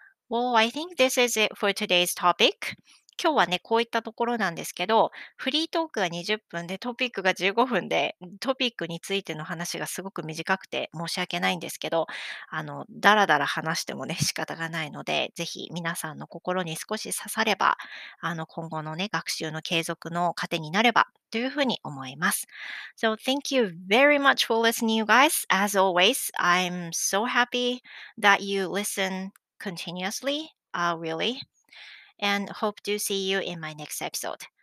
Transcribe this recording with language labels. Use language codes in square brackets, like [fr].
[en] Well, I think this is it for today's topic. [ja] 今日はね、こういったところなんですけど、フリートークが20分で、トピックが15分で、トピックについての話がすごく短くて申し訳ないんですけど、だらだら話してもね、仕方がないので、ぜひ皆さんの心に少し刺されば、今後のね、学習の継続の糧になれば、というふうに思います。 [en] So, thank you very much for listening, you guys. As always, I'm so happy that you listen continuously, really. And hope to see you in my next episode.